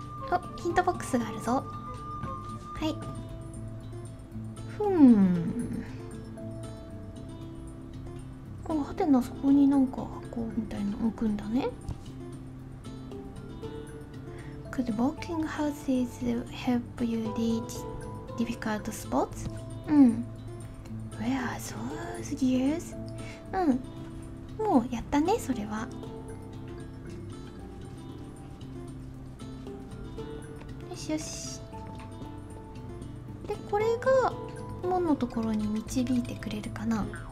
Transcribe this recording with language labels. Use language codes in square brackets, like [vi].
[ja] お、ヒントボックスがあるぞ。はい、ふん、このハテナ、そこになんか箱みたいなの置くんだね。 [en] Could walking houses help you reach difficult spots? うん、 Where are those gears? [ja] うん、もうやったね、それは。よしよし。で、これが門のところに導いてくれるかな。